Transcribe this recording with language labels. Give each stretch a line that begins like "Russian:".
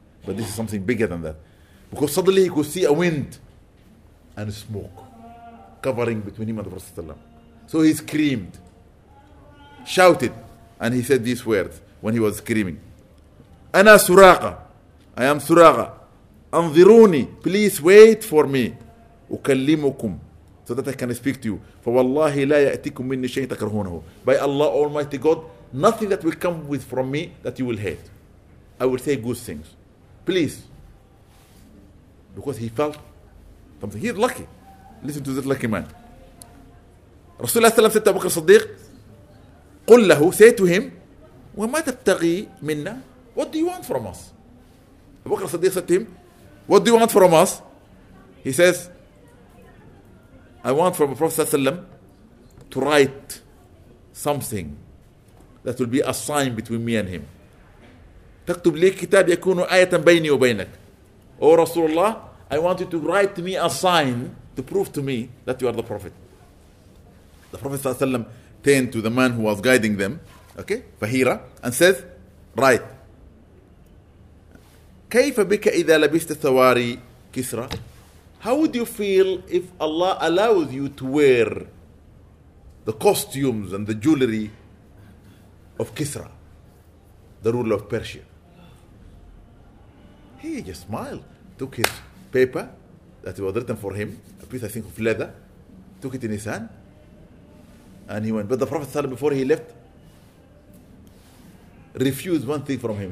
English: But this is something bigger than that. Because suddenly he could see a wind and smoke covering between him and the Prophet. So he screamed, shouted, and he said these words when he was screaming. Ana Suraqa. I am Suraqa.
Arabic: Anziruni.
English: Please wait for me.
Arabic: أكلمكم
English: so that I can speak to you.
Arabic: فوالله لا يأتيكم مني شيء تكرهونه.
English: By Allah Almighty God, nothing that will come with from me that you will hate. I will say good things. Please. Because he felt something. He's lucky. Listen to this lucky man. رسول الله صلى الله عليه وسلم said to Abu Bakr Siddiq,
Arabic: قل له,
English: say to him,
Arabic: وما تبتغي منا?
English: What do you want from us? Abu Bakr Siddiq said to him, what do you want from us? He says, I want from the Prophet ﷺ to write something that will be a sign between me and him.
Arabic: تكتب لي كتاب يكون آية بيني وبينك.
English: Oh Rasulullah, I want you to write to me a sign to prove to me that you are the Prophet. The Prophet ﷺ turned to the man who was guiding them, okay, Fahira, and says, write.
Arabic: كيف بك إذا لبست ثواري كسرى?
English: How would you feel if Allah allows you to wear the costumes and the jewelry of Kisra, the ruler of Persia? He just smiled, took his paper that was written for him, a piece I think of leather, took it in his hand, and he went. But the Prophet ﷺ, before he left, refused one thing from him.